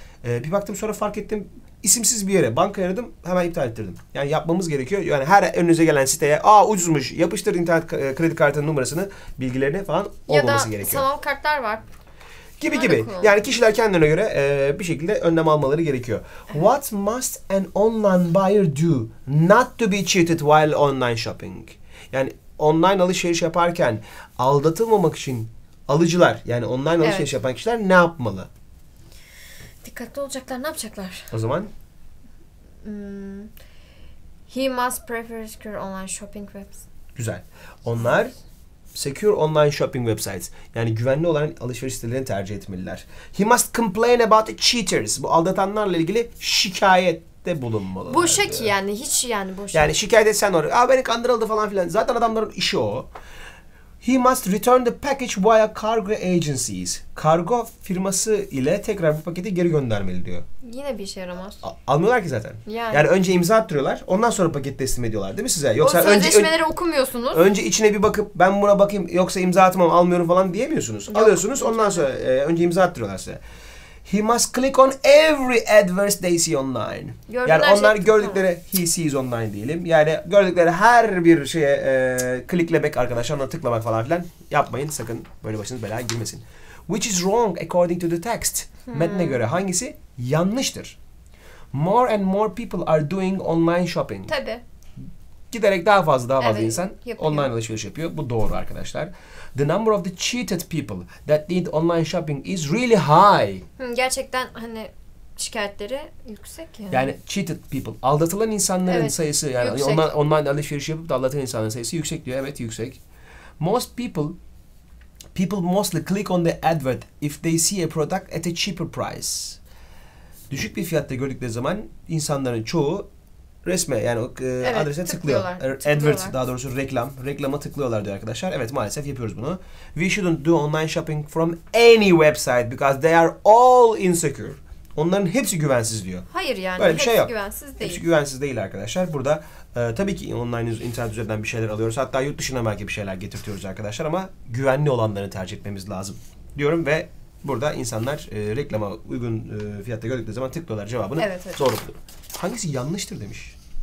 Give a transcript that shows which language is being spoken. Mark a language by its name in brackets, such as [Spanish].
[Turkish] Bir baktım sonra fark ettim isimsiz bir yere bankaya aradım hemen iptal ettirdim. Yani yapmamız gerekiyor. Yani her önünüze gelen siteye aa ucuzmuş yapıştır internet kredi kartının numarasını bilgilerini falan olmaması gerekiyor. Ya da sanal kartlar var. Gibi gibi. Yani kişiler kendilerine göre bir şekilde önlem almaları gerekiyor. Evet. [English] What must an online buyer do not to be cheated while online shopping? [Turkish] Yani online alışveriş yaparken aldatılmamak için alıcılar yani online alışveriş yapan kişiler ne yapmalı? Dikkatli olacaklar. Ne yapacaklar? O zaman? [English] He must prefer secure online shopping websites. [Turkish] Güzel. Onlar [English] secure online shopping websites. [Turkish] Yani güvenli olan alışveriş sitelerini tercih etmeliler. [English] He must complain about the cheaters. [Turkish] Bu aldatanlarla ilgili şikayette bulunmalı. Boş ek yani. Hiç yani boş. Yani şikayet etsen oraya. Aa beni kandırıldı falan filan. Zaten adamların işi o. [English] He must return the package via cargo agencies. [Turkish] Kargo firması ile tekrar bu paketi geri göndermeli diyor. Yine bir işe yaramaz. Almıyorlar ki zaten. Yani. Yani önce imza attırıyorlar. Ondan sonra paket teslim ediyorlar değil mi size? Yoksa o sözleşmeleri okumuyorsunuz. Önce içine bir bakıp ben buna bakayım yoksa imza atmam almıyorum falan diyemiyorsunuz. Yok. Alıyorsunuz ondan sonra önce imza attırıyorlar size. [English] He must click on every adverts they see online. [Turkish] Gördüğün yani onlar şey gördükleri [English] he sees online [Turkish] diyelim. Yani gördükleri her bir şeye kliklemek arkadaşlar, ona tıklamak falan filan yapmayın. Sakın böyle başınız belaya girmesin. [English] Which is wrong according to the text? [Turkish] Metne göre hangisi yanlıştır? [English] More and more people are doing online shopping. [Turkish] Tabii. Giderek daha fazla insan yapıyor. Online alışveriş yapıyor. Bu doğru arkadaşlar. [English] The number of the cheated people that need online shopping is really high. [Turkish] Gerçekten hani şikayetleri yüksek yani. Yani [English] cheated people, [Turkish] aldatılan insanların sayısı yani online alışveriş yapıp da aldatılan insanların sayısı yüksek diyor. Evet yüksek. [English] Most people mostly click on the advert if they see a product at a cheaper price. [Turkish] Düşük bir fiyatta gördükleri zaman insanların çoğu resme yani adrese tıklıyorlar. Advert daha doğrusu reklam. Reklama tıklıyorlar diyor arkadaşlar. Evet maalesef yapıyoruz bunu. [English] We shouldn't do online shopping from any website because they are all insecure. [Turkish] Onların hepsi güvensiz diyor. Hayır yani böyle bir hepsi şey yok. Güvensiz değil. Hepsi güvensiz değil arkadaşlar. Burada tabii ki online internet üzerinden bir şeyler alıyoruz. Hatta yurt dışına belki bir şeyler getirtiyoruz arkadaşlar ama güvenli olanlarını tercih etmemiz lazım diyorum ve burada insanlar reklama uygun fiyatta gördükleri zaman tıklıyorlar cevabını. Evet. Doğru buluyor. Hangisi yanlıştır demiş?